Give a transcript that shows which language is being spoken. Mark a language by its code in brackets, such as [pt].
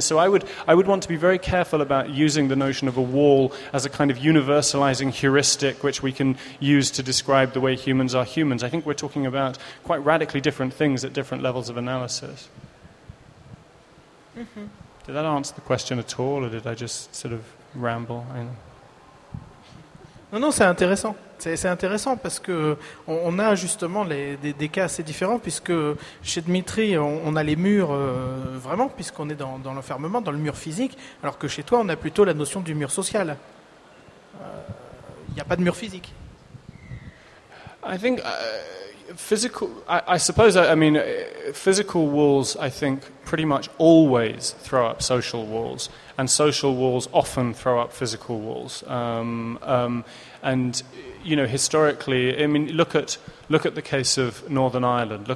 [en] So I would want to be very careful about using the notion of a wall as a kind of universalizing heuristic which we can use to describe the way humans are humans. I think we're talking about quite radically different things at different levels of analysis. Mm-hmm. Did that answer the question at all, or did I just sort of ramble? [fr] Non, c'est intéressant. C'est intéressant parce qu'on a justement des cas assez différents, puisque chez Dmitri, on a les murs vraiment, puisqu'on est dans l'enfermement, dans le mur physique, alors que chez toi, on a plutôt la notion du mur social. Il n'y a pas de mur physique. [en] I think physical, I suppose, physical walls, I think, pretty much always throw up social walls, and social walls often throw up physical walls. And, you know, historically, I mean, look at the case of Northern Ireland.